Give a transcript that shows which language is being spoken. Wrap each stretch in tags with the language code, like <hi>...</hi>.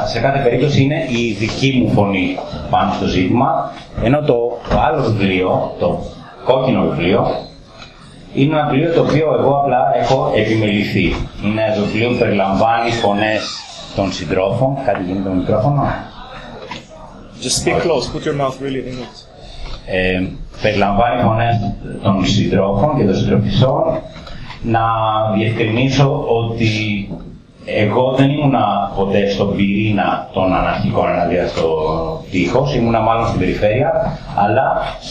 <el>Σε κάθε περίπτωση είναι η δική μου φωνή πάνω στο ζήτημα, ενώ το άλλο βιβλίο, το κόκκινο βιβλίο, είναι ένα βιβλίο το οποίο εγώ απλά έχω επιμεληθεί. Είναι το βιβλίο που περιλαμβάνει φωνές των συντρόφων. Κάτι γίνεται με το μικρόφωνο.</el> <en>Just speak close, put your mouth really in it.</en> <el>Περιλαμβάνει φωνές των συντρόφων και των συντροφισσών. Να διευκρινίσω ότι εγώ δεν ήμουνα ποτέ στον πυρήνα των αναρχικών εναντίον στο τείχος. Ήμουνα μάλλον στην περιφέρεια, αλλά</el>